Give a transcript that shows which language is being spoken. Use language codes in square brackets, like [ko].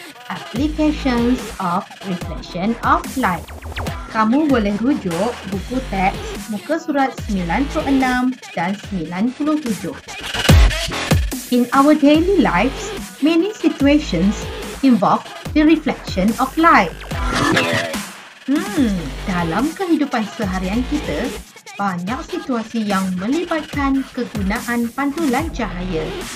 [en] Applications of Reflection of Light. [ms] Kamu boleh rujuk buku teks muka surat 96 dan 97. [en] In our daily lives, many situations involve the reflection of light. [ms] Dalam kehidupan seharian kita, banyak situasi yang melibatkan kegunaan pantulan cahaya.